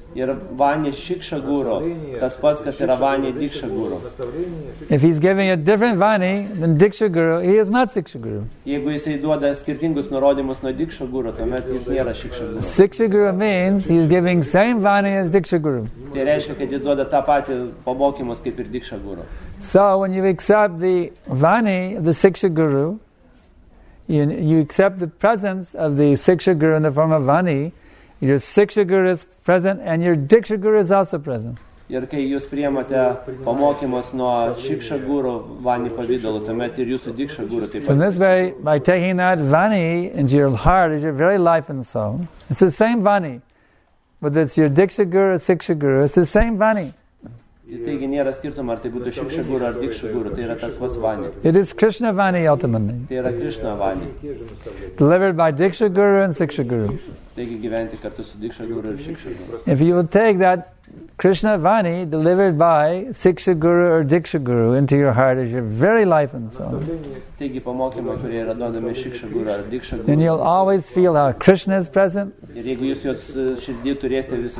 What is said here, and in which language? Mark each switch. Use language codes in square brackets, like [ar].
[en] If he's giving a different vani than Diksha Guru, he is not Siksha Guru. [lt] Jeigu jisai duoda skirtingus nurodymus nuo Diksha Guru, tuomet jis nėra Siksha Guru. [en] Siksha Guru means he's giving same vani as Diksha Guru. [lt] Tai reiškia, kad jis duoda tą patį pamokymus kaip ir Diksha Guru. [en] So when you accept the vani, the Siksha Guru, you accept the presence of the Siksha Guru in the form of vani. Your Siksha Guru is present and your Diksha Guru is also present. [lt] Ir kai jūs priimate pamokymus nuo Siksha Guru vani pavidalu, tuomet ir jūsų Diksha Guru taip pat. [en] So in this way, by taking that vani into your heart as your very life and soul, it's the same vani, but it's your Diksha Guru or Siksha Guru, it's the same vani. [lt] Taigi nėra skirtumo, ar tai būtų Siksha Guru ar Diksha Guru, tai yra tas pats vani. [en] It is Krishna vani ultimately. [lt] Tai yra Krishna vani. [en] Delivered by Diksha Guru and Siksha Guru. [lt] Taigi gyventi kartu su Diksha Guru ir Siksha Guru. [en] If you will take that Krishna vani delivered by Siksha Guru or Diksha Guru into your heart as your very life and soul, [lt] taigi pamokymo, kurie yra duodami Siksha Guru ar Diksha Guru, [en] then you'll always feel how Krishna is present. [lt] Ir jeigu jūs jos širdį turėsite visą